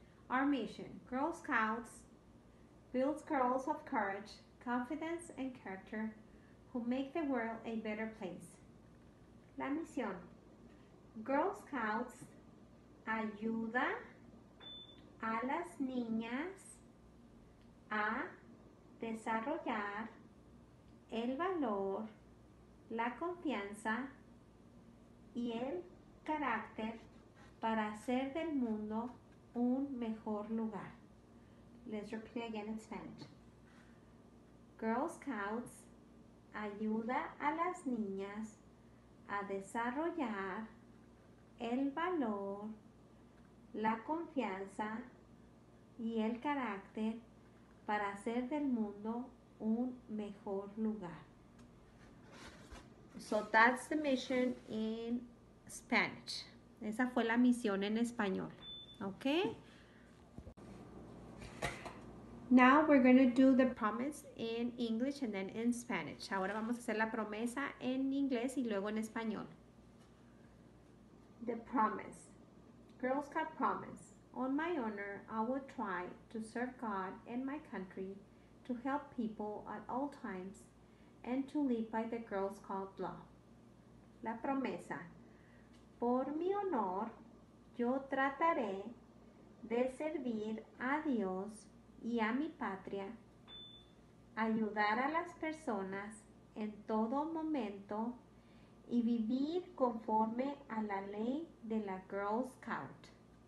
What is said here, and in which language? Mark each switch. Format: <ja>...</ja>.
<en>Our mission, Girl Scouts builds girls of courage, confidence, and character who make the world a better place.</en> <es>La misión, Girl Scouts ayuda a las niñas a desarrollar el valor, la confianza y el carácter para hacer del mundo un mejor lugar.</es> <en>Let's repeat again in Spanish.</en> <es>Girl Scouts ayuda a las niñas a desarrollar el valor, la confianza y el carácter para hacer del mundo un mejor lugar.</es> <en>So that's the mission in Spanish.</en> <es>Esa fue la misión en español. Okay?</es> <en>Now we're going to do the promise in English and then in Spanish.</en> <es>Ahora vamos a hacer la promesa en inglés y luego en español.</es> <en>The promise. Girl Scout promise. On my honor, I will try to serve God and my country, to help people at all times, and to live by the Girl Scout law.</en> <es>La promesa. Por mi honor, yo trataré de servir a Dios y a mi patria, ayudar a las personas en todo momento, y vivir conforme a la ley de la Girl Scout.</es>